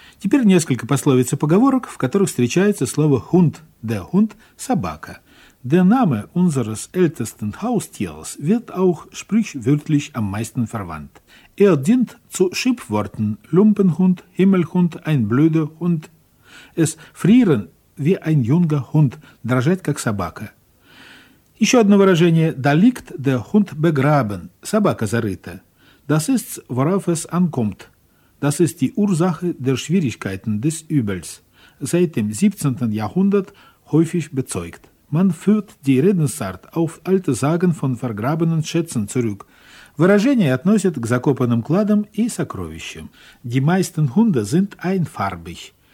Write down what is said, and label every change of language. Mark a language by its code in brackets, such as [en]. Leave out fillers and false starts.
[ru] Теперь несколько пословиц и поговорок, в которых встречается слово «hund», [de] «der Hund» [ru] – «собака». [de] «Der Name unseres ältesten Haustiers wird auch sprichwörtlich am meisten verwandt. Er dient zu Schimpfworten Lumpenhund, Himmelhund, ein blöder Hund. Es frieren wie ein junger Hund, [ru] дрожать как собака». Еще одно выражение [de] «da liegt der Hund begraben» – [ru] «собака зарыта». [de] «Das ist, worauf es ankommt». das ist die Ursache der Schwierigkeiten des Übels, seit dem 17. Jahrhundert häufig bezeugt. Man führt die Redensart auf alte Sagen von vergrabenen Schätzen zurück. [ru] Выражение относит к закопанным кладам и сокровищам. [de] Die meisten Hunde sind einfarbig.